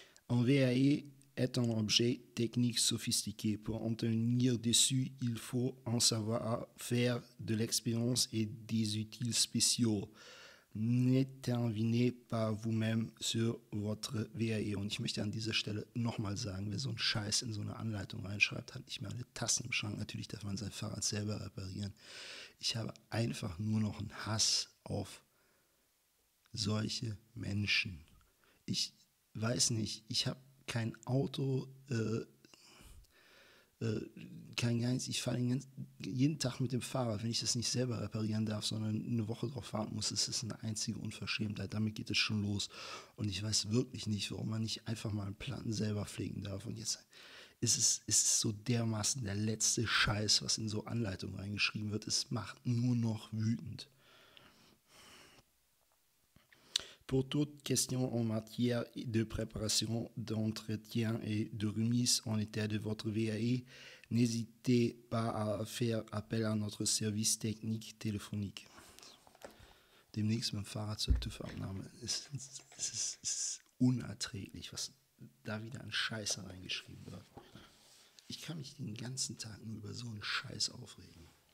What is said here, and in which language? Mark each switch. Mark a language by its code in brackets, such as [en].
[fr] Un VAE est un objet technique sophistiqué. Pour en tenir dessus, il faut en savoir faire de l'expérience et des outils spéciaux. N'intervenez pas vous-même sur votre VAE. [de] Und ich möchte an dieser Stelle nochmal sagen, wer so einen Scheiß in so eine Anleitung reinschreibt, hat nicht mehr alle Tassen im Schrank. Natürlich darf man sein Fahrrad selber reparieren. Ich habe einfach nur noch einen Hass auf solche Menschen. Ich weiß nicht, ich habe kein Auto, kein Geheimnis, ich fahre jeden Tag mit dem Fahrrad, wenn ich das nicht selber reparieren darf, sondern eine Woche drauf fahren muss, das ist eine einzige Unverschämtheit, damit geht es schon los. Und ich weiß wirklich nicht, warum man nicht einfach mal einen Platten selber pflegen darf. Und jetzt ist es so dermaßen der letzte Scheiß, was in so Anleitungen reingeschrieben wird, es macht nur noch wütend. [fr] Pour toute question en matière de préparation, d'entretien et de remise en état de votre VAE, n'hésitez pas à faire appel à notre service technique téléphonique. [de] Demnächst mein Fahrrad zur TÜV-Abnahme. Es ist unerträglich, was da wieder an Scheiße reingeschrieben wird. Ich kann mich den ganzen Tag nur über so einen Scheiß aufregen.